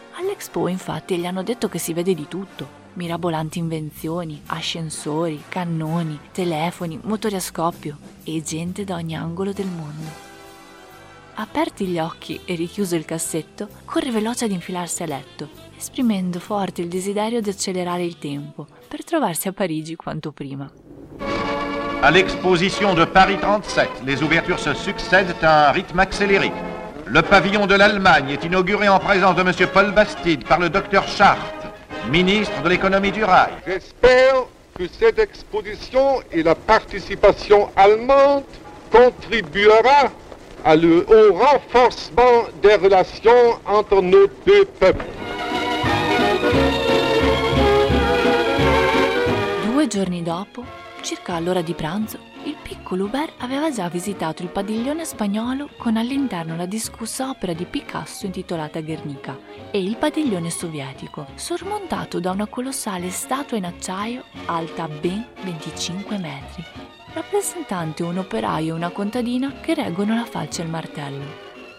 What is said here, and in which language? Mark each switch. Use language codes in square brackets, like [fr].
[it] All'Expo infatti gli hanno detto che si vede di tutto: mirabolanti invenzioni, ascensori, cannoni, telefoni, motori a scoppio e gente da ogni angolo del mondo. aperti gli occhi e richiuso il cassetto, corre veloce ad infilarsi a letto, esprimendo forte il desiderio di accelerare il tempo per trovarsi a Parigi quanto prima. [fr] À l'exposition de Paris 37, les ouvertures se succèdent à un rythme accéléré. Le pavillon de l'Allemagne est inauguré en présence de Monsieur Paul Bastide par le docteur Chartres, ministre de l'économie du rail. J'espère que cette exposition et la participation allemande contribuera au renforcement des relations entre nos deux peuples. [it] Due giorni dopo, circa all'ora di pranzo, il piccolo Hubert aveva già visitato il padiglione spagnolo con all'interno la discussa opera di Picasso intitolata Guernica e il padiglione sovietico, sormontato da una colossale statua in acciaio alta ben 25 metri, rappresentante un operaio e una contadina che reggono la falce e il martello.